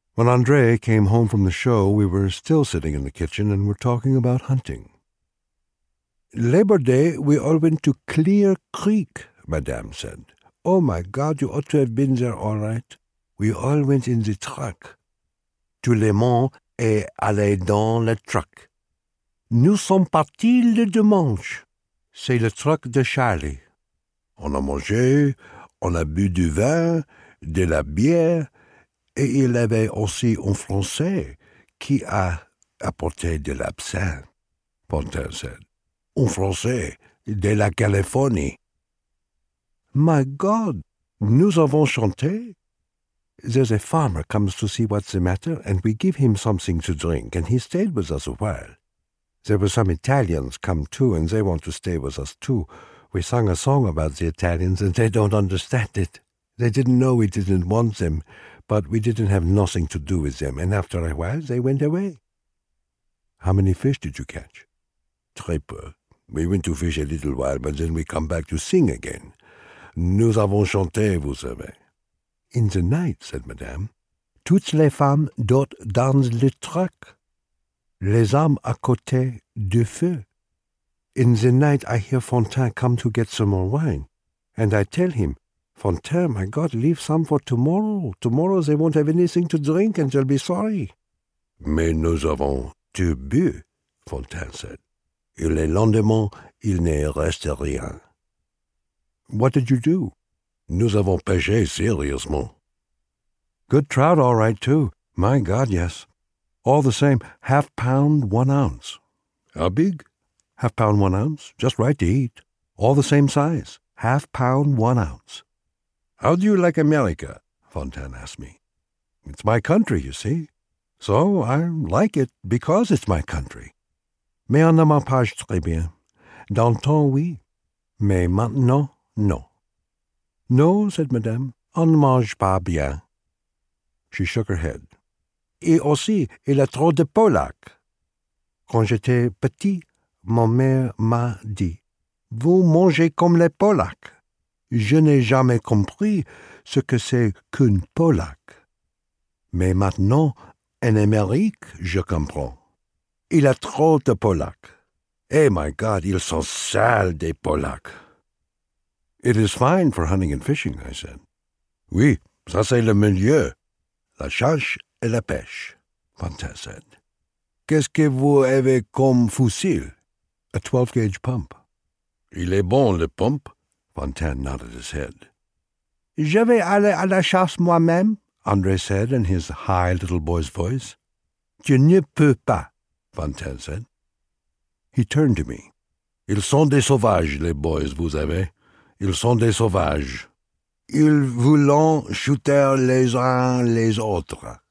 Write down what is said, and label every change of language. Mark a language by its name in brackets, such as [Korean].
[English] When Andrea came home from the show, we were still sitting in the kitchen and were talking about hunting. Labor Day, we all went to Clear Creek, Madame said. Oh, my God, you ought to have been there, all right. We all went in the truck. [French] To Le Mans et aller dans le truck. Nous sommes partis le dimanche. C'est le truck de Charlie. On a mangé, on a bu du vin, de la bière, et il avait aussi un Français qui a apporté de l'absinthe, [English] Pontel said. [French] Un Français de la Californie. [English] My God, [French] nous avons chanté. [English] There's a farmer comes to see what's the matter, and we give him something to drink, and he stayed with us a while. There were some Italians come too, and they want to stay with us too. We sung a song about the Italians, and they don't understand it. They didn't know we didn't want them, but we didn't have nothing to do with them, and after a while they went away. How many fish did you catch? [French] Très peu. [English] We went to fish a little while, but then we come back to sing again. [French] Nous avons chanté, vous savez. [English] In the night, said Madame, [French] toutes les femmes dort dans le truck, les hommes à côté du feu. [English] In the night I hear Fontaine come to get some more wine, and I tell him, Fontaine, my God, leave some for tomorrow. Tomorrow they won't have anything to drink and they'll be sorry. [French] Mais nous avons tout bu, [English] Fontaine said. [French] Et le lendemain, il ne reste rien. [English] What did you do? [French] Nous avons pêché sérieusement. [English] Good trout, all right, too. My God, yes. All the same, 1/2 pound, 1 ounce. How big? 1/2 pound, 1 ounce. Just right to eat. All the same size. 1/2 pound, 1 ounce. How do you like America? Fontaine asked me. It's my country, you see. So I like it because it's my country. [French] Mais on ne mange pas très bien. Dans le temps, oui. Mais maintenant, non. [English] No, said Madame, [French] on ne mange pas bien. [English] She shook her head. [French] Et aussi, il y a trop de polac. Quand j'étais petit, ma mère m'a dit, vous mangez comme les polacs. Je n'ai jamais compris ce que c'est qu'une polac. Mais maintenant, en Amérique, je comprends. Il y a trop de polacs. Eh, [English] my God, [French] ils sont sales, des polacs. [English] It is fine for hunting and fishing, I said. [French] Oui, ça c'est le milieu. La chasse et la pêche, [English] Fontaine said. [French] Qu'est-ce que vous avez comme fusil? [English] A 12-gauge pump. [French] Il est bon, le pump, [English] Fontaine nodded his head. [French] Je vais aller à la chasse moi-même, [English] André said in his high little boy's voice. [French] Je ne peux pas, [English] Fontaine said. He turned to me. [French] Ils sont des sauvages, les boys, vous avez. Ils sont des sauvages. Ils voulant shooter les uns les autres.